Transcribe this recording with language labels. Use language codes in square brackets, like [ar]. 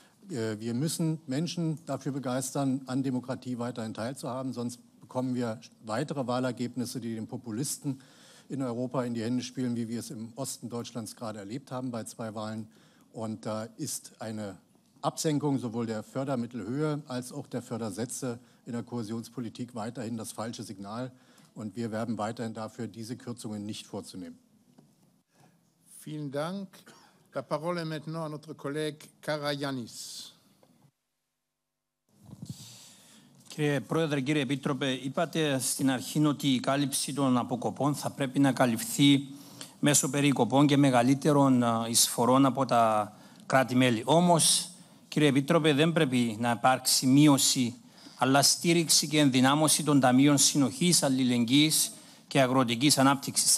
[de] Wir müssen Menschen dafür begeistern, an Demokratie weiterhin teilzuhaben, sonst bekommen wir weitere Wahlergebnisse, die den Populisten in Europa in die Hände spielen, wie wir es im Osten Deutschlands gerade erlebt haben bei zwei Wahlen. Und da ist eine Absenkung sowohl der Fördermittelhöhe als auch der Fördersätze in der Kohäsionspolitik weiterhin das falsche Signal. Und wir werben weiterhin dafür, diese Kürzungen nicht vorzunehmen. Vielen Dank. [fr] La parole est maintenant à notre collègue Karayiannis. [el] Κύριε Πρόεδρε, κύριε Επίτροπε, είπατε στην αρχή ότι η κάλυψη των αποκοπών θα πρέπει να καλυφθεί μέσω περικοπών και μεγαλύτερων εισφορών από τα κράτη-μέλη. Όμως, κύριε Επίτροπε, δεν πρέπει να υπάρξει μείωση, αλλά στήριξη και ενδυνάμωση των ταμείων συνοχής, αλληλεγγύης και αγροτικής ανάπτυξης.